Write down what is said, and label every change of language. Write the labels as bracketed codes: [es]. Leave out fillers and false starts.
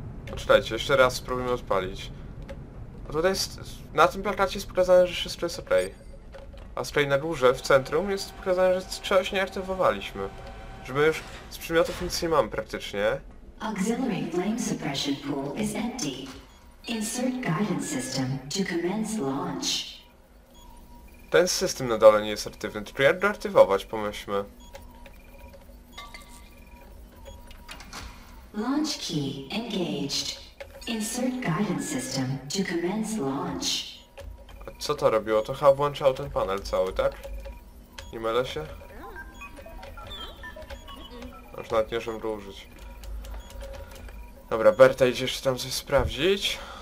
[pl] Poczekajcie, jeszcze raz spróbujmy odpalić. Bo tutaj jest, na tym plakacie jest pokazane, że wszystko jest ok. A z kolei na górze, w centrum, jest pokazane, że czegoś nie aktywowaliśmy. Że my już z przedmiotów nic nie mamy praktycznie. [en] Auxiliary flame suppression pool is empty. Insert guidance system to commence launch. [pl] Ten system na dole nie jest aktywny, tylko jak go aktywować, pomyślmy. [en] Launch key engaged. Insert guidance system to commence launch. [pl] A co to robiło? To chyba włączał ten panel cały, tak? Nie mylę się? Aż nawet nie żeby go użyć. Dobra, Berta idzie jeszcze tam coś sprawdzić.